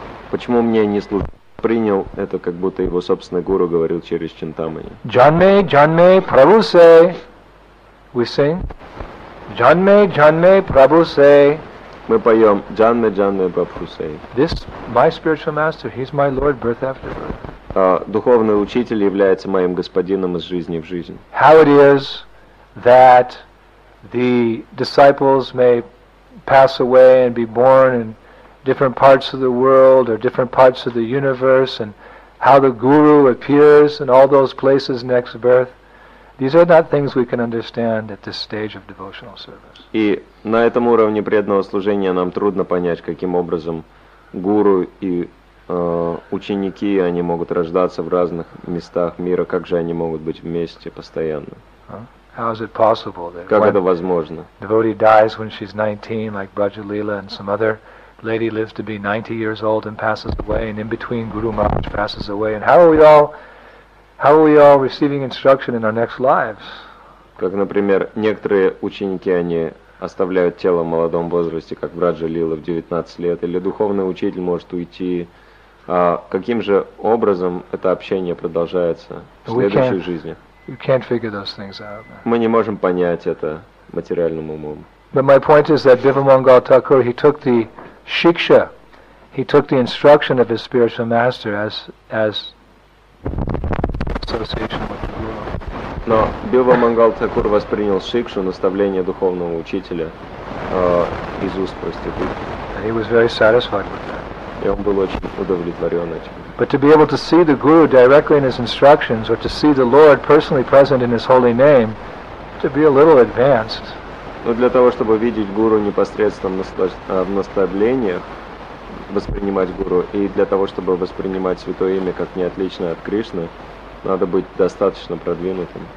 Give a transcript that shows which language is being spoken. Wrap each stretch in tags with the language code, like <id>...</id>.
<ru>Почему мне не служить? Принял это, как будто его собственный гуру говорил через Чинтамани.</ru> <bn>Janme, janme, prabhu se.</bn> <en>We sing.</en> <bn>Janme, janme, prabhu se. Мы поем. Janme, janme, prabhu se.</bn> <en>This, my spiritual master, he's my lord, birth after birth.</en> <ru>Духовный учитель является моим господином из жизни в жизнь.</ru> <en>How it is that the disciples may pass away and be born and different parts of the world or different parts of the universe and how the guru appears in all those places next birth. These are not things we can understand at this stage of devotional service.</en> <ru>И на этом уровне преданного служения нам трудно понять, каким образом гуру и ученики, они могут рождаться в разных местах мира, как же они могут быть вместе постоянно?</ru> <en>How is it possible that</en> <ru>как это возможно?</ru> <en>Devotee dies when she's 19, like Brajalila and some other lady lives to be 90 years old and passes away, and in between Guru Maharaj passes away, and how are we all receiving instruction in our next lives?</en> <ru>Как, например, некоторые ученики, они оставляют тело в молодом возрасте, как Брадж-Лила в 19 лет, или духовный учитель может уйти. А каким же образом это общение продолжается в следующей жизни?</ru> <en>We can't figure those things out.</en> <ru>Мы не можем понять это материальным умом.</ru> <en>But my point is that Bhimamangal Thakur, he took the shiksha, he took the instruction of his spiritual master as association with the guru.</en> <ru>Но Бхимамангал Такур воспринял шикшу, наставление духовного учителя, из уст проститутки.</ru> <en>And he was very satisfied with that.</en> <ru>И он был очень удовлетворен этим.</ru> <en>But to be able to see the guru directly in his instructions, or to see the Lord personally present in his holy name, to be a little advanced.</en> <ru>Но для того, чтобы видеть гуру непосредственно в наставлениях, воспринимать гуру, и для того, чтобы воспринимать святое имя как неотличное от Кришны, надо быть достаточно продвинутым.</ru>